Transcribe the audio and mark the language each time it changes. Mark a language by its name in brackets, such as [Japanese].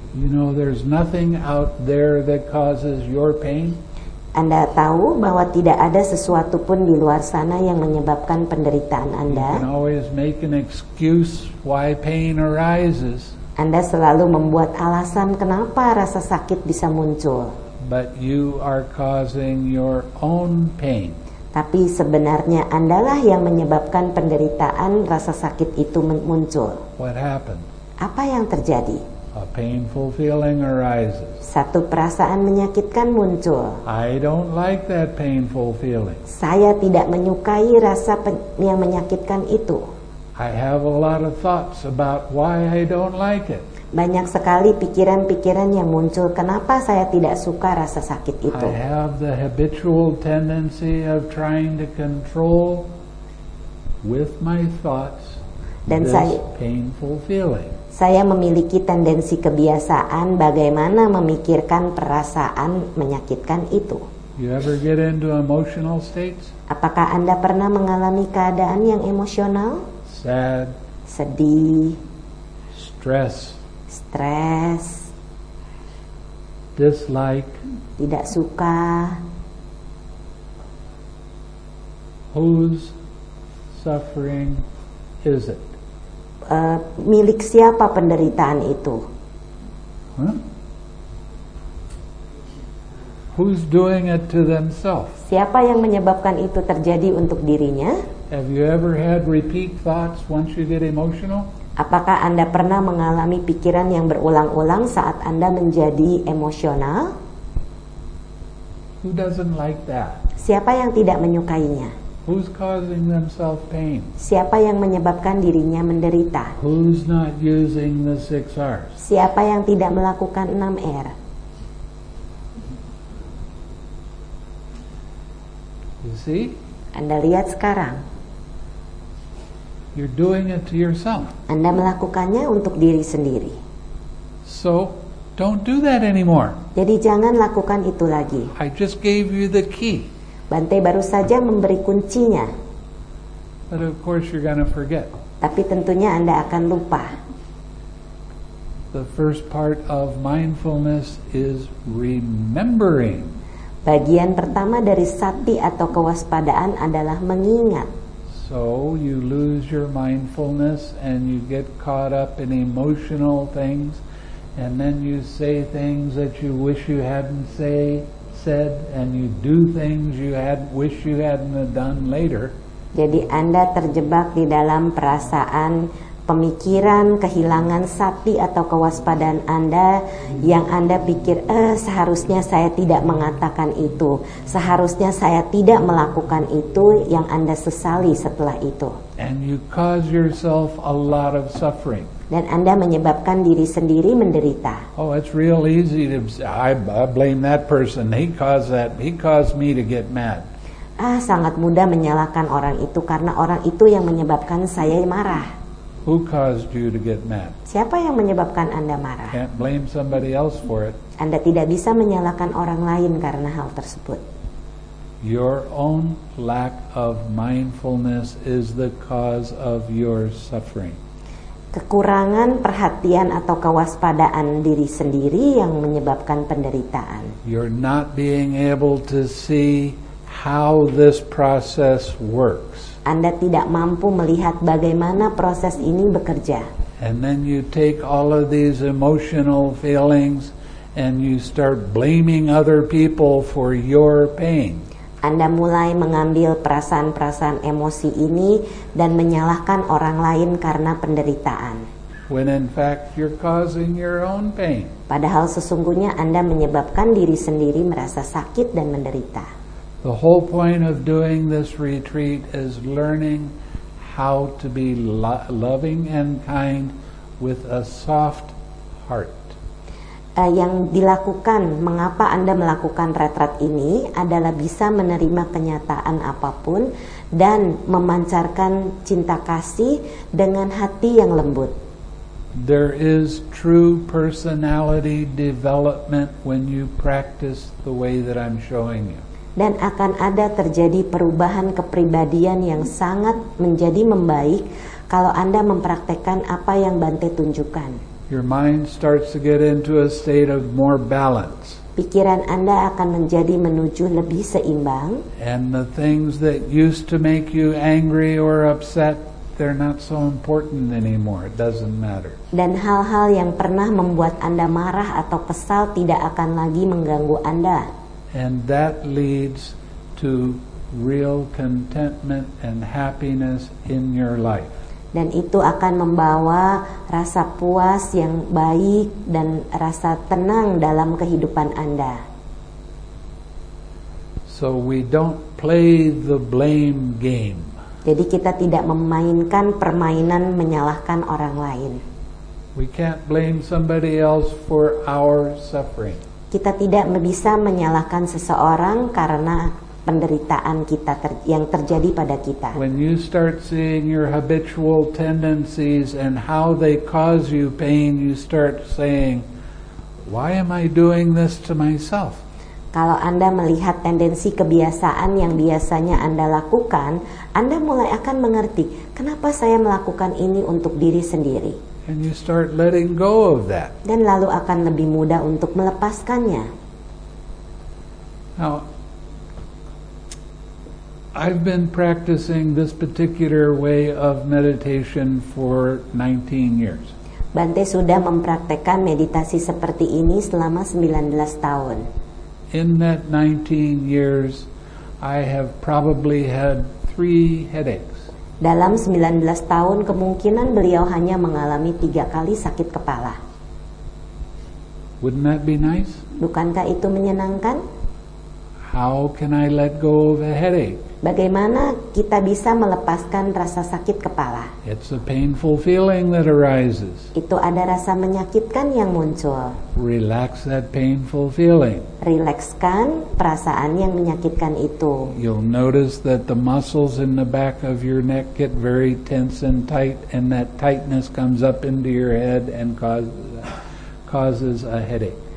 [English] You know, there's nothing out there that causes your pain. [Indonesian] Anda tahu bahwa tidak ada sesuatu pun di luar sana yang menyebabkan penderitaan Anda. [English] You can always make an excuse why pain arises. [Indonesian] Anda selalu membuat alasan kenapa rasa sakit bisa muncul. [English] But you are causing your own pain. [Indonesian] Tapi sebenarnya andalah yang menyebabkan penderitaan rasa sakit itu muncul. [English] What happened? [Indonesian] Apa yang terjadi? [English] A painful feeling arises. [Indonesian] Satu perasaan menyakitkan muncul. [English] I don't like that painful feeling. [Indonesian] Saya tidak menyukai rasa yang menyakitkan itu. [English] I have a lot of thoughts about why I don't like it. [Indonesian] Banyak sekali pikiran-pikiran yang muncul kenapa saya tidak suka rasa sakit itu. [English] I have the habitual tendency of trying to control with my thoughts this painful feeling. [Indonesian] Saya memiliki tendensi kebiasaan bagaimana memikirkan perasaan menyakitkan itu. [English] You ever get into emotional states? [Indonesian] Apakah Anda pernah mengalami keadaan yang emosional? [English] Sad. [Indonesian] Sedih. [English] Stress. [Indonesian] Stress. [English] Dislike. [Indonesian] Tidak suka. [English] Whose suffering is it? [Indonesian] Milik siapa penderitaan itu? Huh? [English] Who's doing it to themselves? [Indonesian] Siapa yang menyebabkan itu terjadi untuk dirinya? [English] Have you ever had repeat thoughts once you get emotional? [Indonesian] Apakah Anda pernah mengalami pikiran yang berulang-ulang saat Anda menjadi emosional? [English] Who doesn't like that? [Indonesian] Siapa yang tidak menyukainya? [English] Who's causing themselves pain? [Indonesian] Siapa yang menyebabkan dirinya menderita? [English] Who's not using the 6 R's? [Indonesian] Siapa yang tidak melakukan 6 R? [English] You see? [Indonesian] Anda lihat sekarang. [English] You're doing it to yourself. [Indonesian] Anda melakukannya untuk diri sendiri. [English] So, don't do that anymore. [Indonesian] Jadi jangan lakukan itu lagi. [English] I just gave you the key. [Indonesian] Bante baru saja memberi kuncinya. [English] But of course you're gonna forget. [Indonesian] Tapi tentunya Anda akan lupa. [English] The first part of mindfulness is remembering. [Indonesian] Bagian pertama dari sati atau kewaspadaan adalah mengingat. [English] So you lose your mindfulness and you get caught up in emotional things and then you say things that you wish you hadn't said and you do things you had wish you hadn't done later. [Indonesian] Jadi Anda terjebak di dalam perasaan pemikiran kehilangan sati atau kewaspadaan Anda yang Anda pikir seharusnya saya tidak mengatakan itu, seharusnya saya tidak melakukan itu yang Anda sesali setelah itu. [English] And you cause yourself a lot of suffering. [Indonesian] Dan Anda menyebabkan diri sendiri menderita. [English] Oh, it's real easy to I blame that person. He caused me to get mad. [Indonesian] Sangat mudah menyalahkan orang itu karena orang itu yang menyebabkan saya marah. [English] Who caused you to get mad? [Indonesian] Siapa yang menyebabkan Anda marah? [English] Can't blame somebody else for it. [Indonesian] Anda tidak bisa menyalahkan orang lain karena hal tersebut. [English] Your own lack of mindfulness is the cause of your suffering. [Indonesian] Kekurangan perhatian atau kewaspadaan diri sendiri yang menyebabkan penderitaan. [English] You're not being able to see how this process works. [Indonesian] Anda tidak mampu melihat bagaimana proses ini bekerja. [English] And then you take all of these emotional feelings and you start blaming other people for your pain. [Indonesian] Anda mulai mengambil perasaan-perasaan emosi ini dan menyalahkan orang lain karena penderitaan. [English] When in fact you're causing your own pain. [Indonesian] Padahal sesungguhnya Anda menyebabkan diri sendiri merasa sakit dan menderita. [English] The whole point of doing this retreat is learning how to be loving and kind with a soft heart. [Indonesian] Yang dilakukan, mengapa Anda melakukan retret ini adalah bisa menerima kenyataan apapun dan memancarkan cinta kasih dengan hati yang lembut. [English] There is true personality development when you practice the way that I'm showing you. [Indonesian] Dan akan ada terjadi perubahan kepribadian yang sangat menjadi membaik kalau Anda mempraktekkan apa yang Bante tunjukkan. [English] Your mind starts to get into a state of more balance. [Indonesian] Pikiran Anda akan menjadi menuju lebih seimbang. [English] And the things that used to make you angry or upset, they're not so important anymore. It doesn't matter. [Indonesian] Dan hal-hal yang pernah membuat Anda marah atau kesal tidak akan lagi mengganggu Anda. [English] And that leads to real contentment and happiness in your life. [Indonesian] Dan itu akan membawa rasa puas yang baik dan rasa tenang dalam kehidupan Anda. [English] So we don't play the blame game. [Indonesian] Jadi kita tidak memainkan permainan menyalahkan orang lain. [English] We can't blame somebody else for our suffering. [Indonesian] Kita tidak bisa menyalahkan seseorang karena penderitaan kita yang terjadi pada kita. [English] When you start seeing your habitual tendencies and how they cause you pain, you start saying, "Why am I doing this to myself?" [Indonesian] Kalau Anda melihat tendensi kebiasaan yang biasanya Anda lakukan, Anda mulai akan mengerti, "Kenapa saya melakukan ini untuk diri sendiri?" [English] And you start letting go of that. [Indonesian] Dan lalu akan lebih mudah untuk melepaskannya. [English] Now, I've been practicing this particular way of meditation for 19 years. [Indonesian] Bante sudah mempraktekkan meditasi seperti ini selama 19 tahun. [English] In that 19 years, I have probably had 3 headaches. [Indonesian] Dalam 19 tahun, kemungkinan beliau hanya mengalami 3 kali sakit kepala. [English] Wouldn't that be nice? [Indonesian] Bukankah itu menyenangkan? [English] How can I let go of a headache? [Indonesian] Bagaimana kita bisa melepaskan rasa sakit kepala? [English] It's a painful feeling that arises. [Indonesian] Itu ada rasa menyakitkan yang muncul. [English] Relax that painful feeling. [Indonesian] Rilekskan perasaan yang menyakitkan itu. [English] You'll notice that the muscles in the back of your neck get very tense and tight, and that tightness comes up into your head and causes a headache.